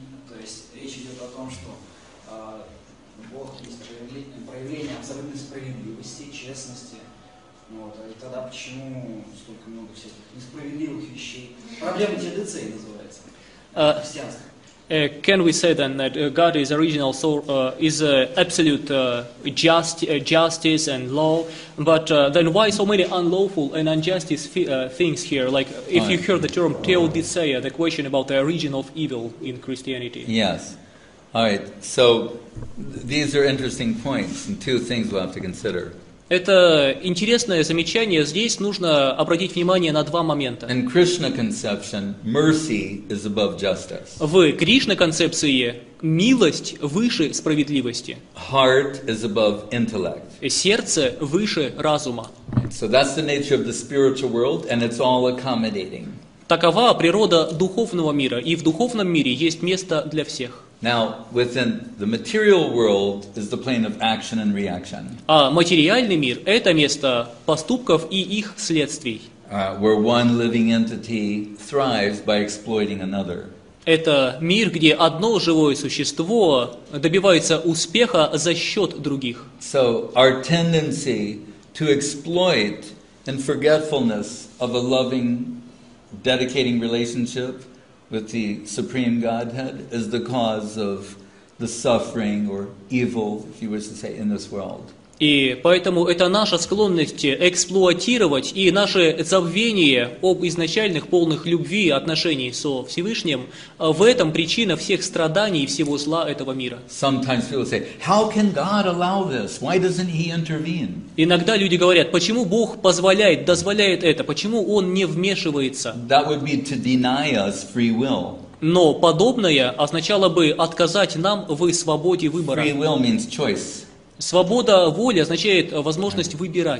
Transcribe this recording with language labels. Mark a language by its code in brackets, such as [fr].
[ru] То есть речь идет о том, что Бог есть проявление абсолютной справедливости, честности. Вот, и тогда почему столько много всяких несправедливых вещей? Проблема ТДЦ называется. Христианская. [en] Can we say then that God is original, so is absolute justice and law? But then why so many unlawful and unjust things here? Like if you hear the term Teodiceia, the question about the origin of evil in Christianity. Yes. All right. So these are interesting points and two things we'll have to consider. [ru] Это интересное замечание. Здесь нужно обратить внимание на два момента. [en] In Krishna conception, mercy is above justice. [ru] В Кришна концепции милость выше справедливости. [en] Heart is above intellect. [ru] Сердце выше разума. [en] So that's the nature of the spiritual world, and it's all accommodating. [ru] Такова природа духовного мира, и в духовном мире есть место для всех. [en] Now, within the material world is the plane of action and reaction. [ru] А материальный мир — это место поступков и их следствий. [en] Where one living entity thrives by exploiting another. [ru] Это мир, где одно живое существо добивается успеха за счет других. [en] So, our tendency to exploit in forgetfulness of a loving, dedicating relationship with the Supreme Godhead is the cause of the suffering or evil, if you wish to say, in this world. [ru] И поэтому это наша склонность эксплуатировать и наше забвение об изначальных полных любви и отношений со Всевышним, в этом причина всех страданий и всего зла этого мира. [en] Sometimes people say, how can God allow this? Why doesn't he intervene? [ru] Иногда люди говорят, почему Бог позволяет, дозволяет это, почему Он не вмешивается? [en] That would be to deny us free will. [ru] Но подобное означало бы отказать нам в свободе выбора. [en] Free will means choice. [ru] Свобода воли означает возможность выбирать.